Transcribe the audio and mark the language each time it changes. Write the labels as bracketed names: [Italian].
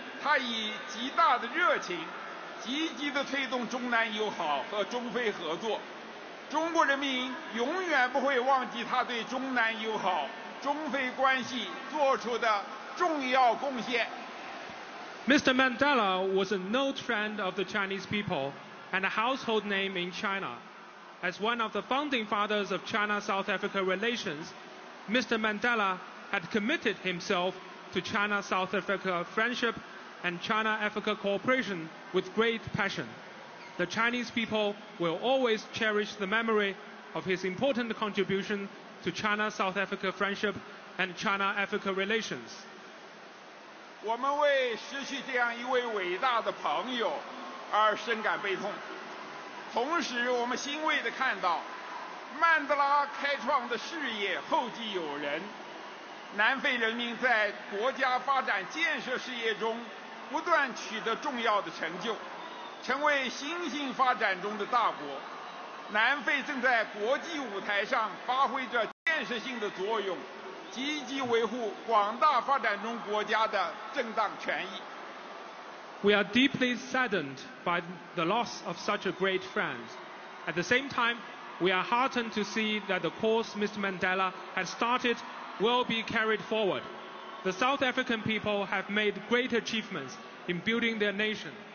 [Chinese] Mandela先生是中国人民的老朋友，他的名字在中国家喻户晓。作为中南关系的奠基人，他以极大的热情 积极地推动中南友好和中非合作，中国人民永远不会忘记他对中南友好、中非关系做出的重要贡献。Mr. [English] Mandela was a known friend of the Chinese people and a household name in China. As one of the founding fathers of China-South Africa relations, Mr. Mandela had committed himself to China-South Africa friendship and China-Africa cooperation with great passion. The Chinese people will always cherish the memory of his important contribution to China-South Africa friendship and China-Africa relations. [Chinese] 我们为失去这样一位伟大的朋友而深感悲痛，同时我们欣慰地看到曼德拉开创的事业后继有人。南非人民在国家发展建设事业中不断取得重要的成就，成为新兴发展中的大国。南非正在国际舞台上发挥着建设性的作用，积极维护广大发展中国家的正当权益。 [English] We are deeply saddened by the loss of such a great friend. At the same time, we are heartened to see that the course Mr. Mandela has started will be carried forward. The South African people have made great achievements in building their nation.